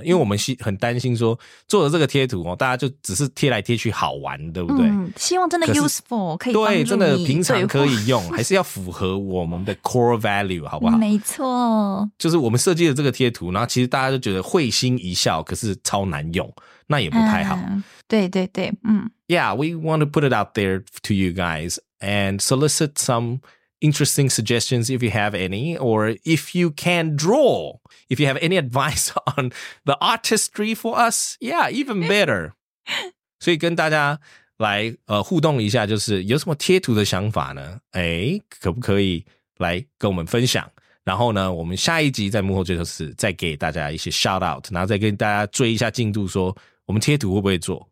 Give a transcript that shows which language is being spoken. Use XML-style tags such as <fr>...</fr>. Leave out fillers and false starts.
<zh>因为我们很担心说做了这个贴图大家就只是贴来贴去好玩，对不对？希望真的 useful， 可以帮助你，对，真的平常可以用，还是要符合我们的 core value 好不好？没错，就是我们设计的这个贴图，然后其实大家就觉得会心一笑，可是超难用，那也不太好。对对对，</zh> <en>Yeah, we want to put it out there to you guys and solicit some interesting suggestions if you have any, or if you can draw, if you have any advice on the artistry for us, yeah, even better.</en> <zh>所以跟大家来互动一下，就是有什么贴图的想法呢？哎，可不可以来跟我们分享？然后呢，我们下一集在幕后就是再给大家一些 shout out， 然后再跟大家追一下进度，说我们贴图会不会做？</zh>